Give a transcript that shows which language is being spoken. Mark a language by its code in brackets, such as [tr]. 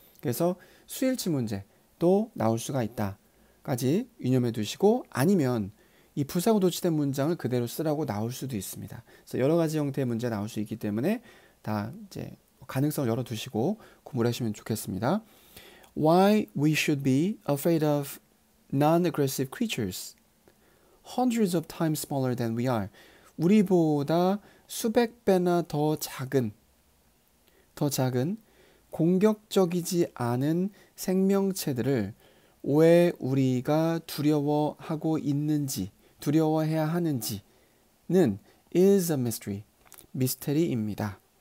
[ko] 그래서 수일치 문제도 나올 수가 있다까지 유념해 두시고, 아니면 이 부사고 도치된 문장을 그대로 쓰라고 나올 수도 있습니다. 그래서 여러 가지 형태의 문제 나올 수 있기 때문에 다 이제 가능성을 열어두시고 공부를 하시면 좋겠습니다. [en] Why we should be afraid of non-aggressive creatures hundreds of times smaller than we are. [ko] 우리보다 수백 배나 더 작은 공격적이지 않은 생명체들을 왜 우리가 두려워하고 있는지 두려워해야 하는지는 [en] is a mystery, [ko] 미스테리입니다.